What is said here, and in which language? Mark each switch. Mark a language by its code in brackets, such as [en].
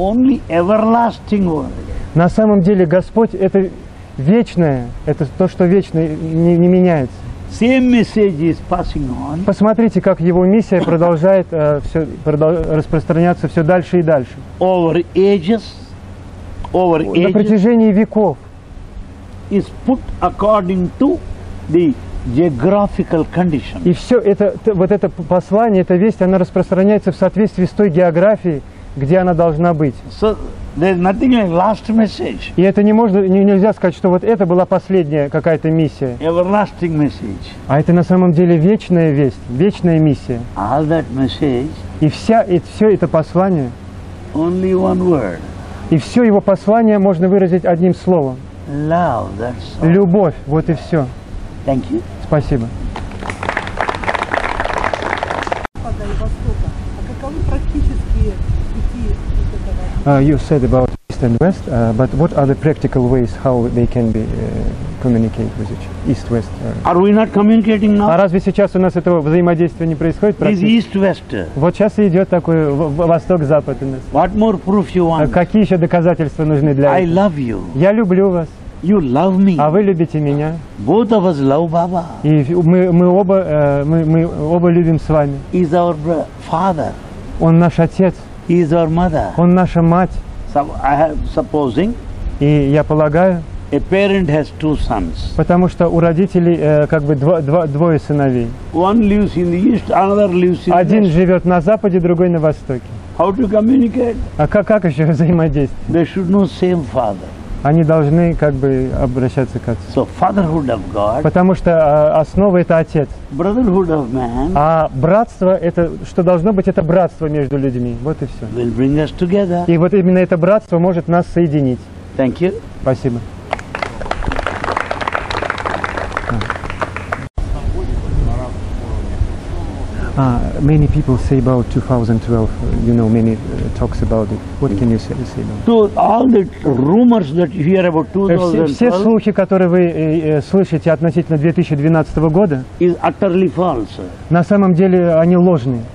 [en] Only everlasting word. [ru] На самом деле Господь это вечное, это то, что вечно не меняется. [en] Same message is passing on. [ru] Посмотрите, как его миссия продолжает распространяться все дальше и дальше. [en] Over ages, over ages. [ru] На протяжении веков. [en] Is put according to the geographical condition. [ru] И все это, вот это послание, эта весть, она распространяется в соответствии с той географией, где она должна быть. [en] So, there's nothing like last message. [ru] И это нельзя сказать, что вот это была последняя какая-то миссия. [en] Everlasting message. [ru] А это на самом деле вечная весть, вечная миссия. [en] All that message. [ru] И все это послание. [en] Only one word. [ru] И все его послание можно выразить одним словом. [en] Love, that's all. [ru] Любовь, вот и все. [en] Thank you. [ru] Спасибо. [en] You said about East and West, but what are the practical ways how they can be communicate with each East-West? Are we not communicating now? [ru] А разве сейчас у нас этого взаимодействия не происходит? [en] Is East-West? [ru] Вот сейчас и идет такой Восток-Запад. [en] What more proof you want? [ru] Какие еще доказательства нужны для этого? [en] I love you. [ru] Я люблю вас. [en] You love me. [ru] А вы любите меня. [en] Both of us love Baba. [ru] И мы оба любим с вами. [en] Is our father. [ru] Он наш отец. [en] He is our mother. [ru] Он наша мать. [en] So, I have supposing. [ru] И я полагаю. [en] A parent has two sons. [ru] Потому что у родителей как бы двое сыновей. [en] One lives in the east, another lives in. [ru] Один живет на западе, другой на востоке. [en] How to communicate? [ru] А как еще взаимодействовать? [en] They should know same father. [ru] Они должны как бы обращаться к отцу. [en] So fatherhood of God. [ru] Потому что основа это отец. [en] Brotherhood of man. [ru] А братство это что должно быть, это братство между людьми. Вот и все. [en] Will bring us together. [ru] И вот именно это братство может нас соединить. [en] Thank you. [ru] Спасибо. [en] Many people say about 2012, you know, many talks about it. What can you say about it? So all the rumors that you hear about 2012... [ru] Все слухи, которые вы слышите относительно 2012 года... [en] Is utterly false. [ru] На самом деле они ложные.